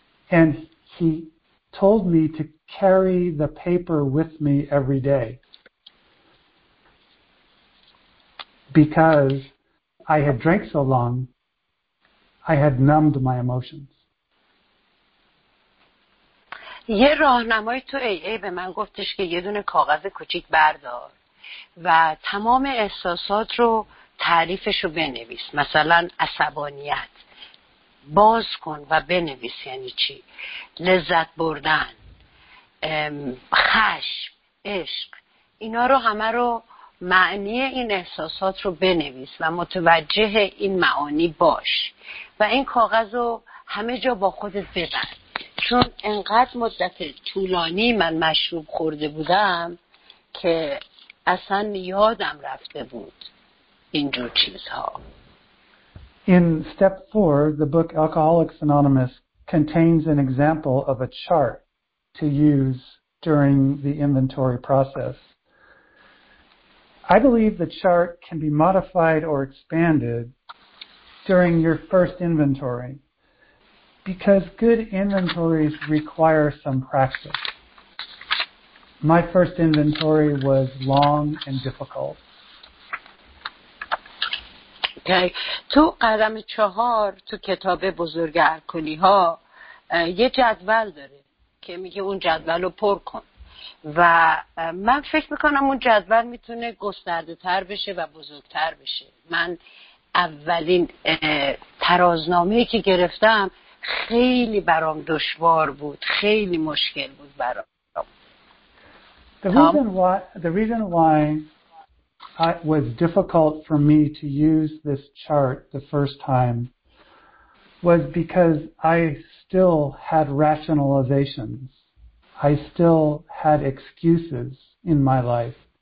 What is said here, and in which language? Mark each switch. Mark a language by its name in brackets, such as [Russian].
[English] And he told me to carry the paper with me every day because I had drank so long I had numbed my emotions. [Persian] یه راهنمای تو AA به من گفتش که یه دونه کاغذ کوچیک بردار و تمام احساسات رو تعریفش رو بنویس، مثلا عصبانیت باز کن و بنویس یعنی چی، لذت بردن، خشم، عشق، اینا رو همه رو معنی این احساسات رو بنویس و متوجه این معانی باش و این کاغذ رو همه جا با خودت ببر، چون انقدر مدت طولانی من مشروب خورده بودم که اصلا یادم رفته بود اینجور چیزها. [English] In step 4, the book Alcoholics Anonymous contains an example of a chart to use during the inventory process. I believe the chart can be modified or expanded during your first inventory because good inventories require some practice. My first inventory was long and difficult. Okay. [Persian] تو قدم چهار تو کتاب بزرگ الکلی ها یه جدول داره که میگه اون جدول رو پر کن. و من فکر میکنم اون جدول میتونه گسترده تر بشه و بزرگتر بشه. من اولین ترازنامه‌ای که گرفتم خیلی برام دشوار بود، خیلی مشکل بود برام. [English] The reason why it was difficult for me to use this chart the first time was because I still had rationalizations. I still had excuses in my life.